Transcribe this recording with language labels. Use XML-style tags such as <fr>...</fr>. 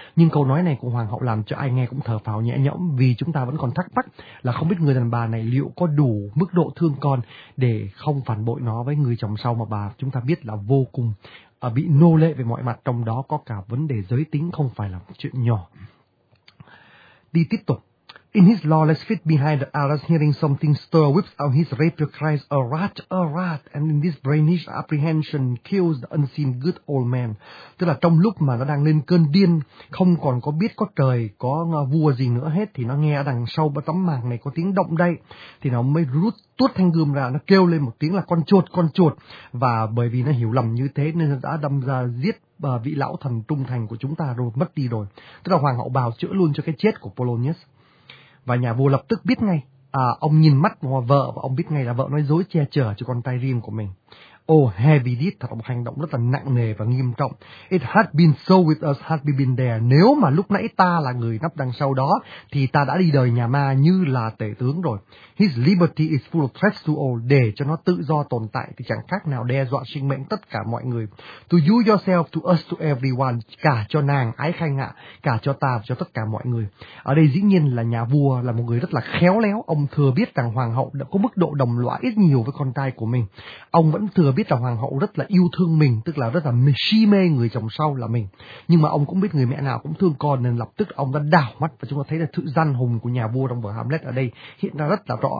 <vi>Nhưng câu nói này của hoàng hậu làm cho ai nghe cũng thở phào nhẹ nhõm vì chúng ta vẫn còn thắc mắc là không biết người đàn bà này liệu có đủ mức độ thương con để không phản bội nó với người chồng sau mà bà chúng ta biết là vô cùng bị nô lệ về mọi mặt, trong đó có cả vấn đề giới tính không phải là một chuyện nhỏ. Đi tiếp tục.</vi> <en>"In his lawless fit behind the arras, hearing something stir, whips out his rapier, cries, 'A rat, a rat!' and in this brainish apprehension, kills the unseen good old man."</en> <vi>Tức là trong lúc mà nó đang lên cơn điên, không còn có biết có trời, có vua gì nữa hết, thì nó nghe đằng sau tấm màng này có tiếng động đậy, thì nó mới rút tuốt thanh gươm ra, nó kêu lên một tiếng là con chuột, và bởi vì nó hiểu lầm như thế nên nó đã đâm ra giết vị lão thần trung thành của chúng ta rồi, mất đi rồi. Tức là hoàng hậu bào chữa luôn cho cái chết của Polonius. Và nhà vua lập tức biết ngay, ông nhìn mắt vào vợ và ông biết ngay là vợ nói dối che chở cho con trai riêng của mình.</vi> <en>"Oh, heavy deed,"</en> <vi>thật là một hành động rất là nặng nề và nghiêm trọng.</vi> <en>"It had been so with us, had we been there."</en> <vi>Nếu mà lúc nãy ta là người nắp đằng sau đó, thì ta đã đi đời nhà ma như là tể tướng rồi.</vi> <en>"His liberty is full of threats to all."</en> <vi>Để cho nó tự do tồn tại thì chẳng khác nào đe dọa sinh mệnh tất cả mọi người.</vi> <en>"To you yourself, to us, to everyone."</en> <vi>Cả cho nàng, ái khanh ạ, cả cho ta và cho tất cả mọi người. Ở đây dĩ nhiên là nhà vua là một người rất là khéo léo. Ông thừa biết rằng hoàng hậu đã có mức độ đồng lõa ít nhiều với con trai của mình. Ông vẫn thừa biết là hoàng hậu rất là yêu thương mình, tức là rất là si mê người chồng sau là mình. Nhưng mà ông cũng biết người mẹ nào cũng thương con, nên lập tức ông đã đảo mắt và chúng ta thấy là sự gian hùng của nhà vua trong vở Hamlet ở đây hiện ra rất là rõ.</vi>